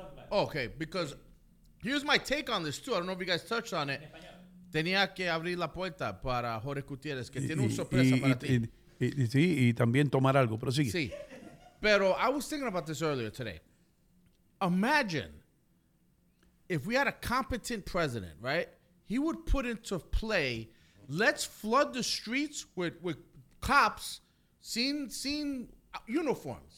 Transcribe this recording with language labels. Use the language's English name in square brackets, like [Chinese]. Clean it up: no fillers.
[English] Okay, because here's my take on this, too. I don't know if you guys touched on it. [Spanish] Tenía que abrir la puerta para Jorge Gutiérrez, que tiene una sorpresa para ti. Sí, y también tomar algo, pero sigue. Sí, pero [English] I was thinking about this earlier today. Imagine if we had a competent president, right? He would put into play, let's flood the streets with cops, seen uniforms.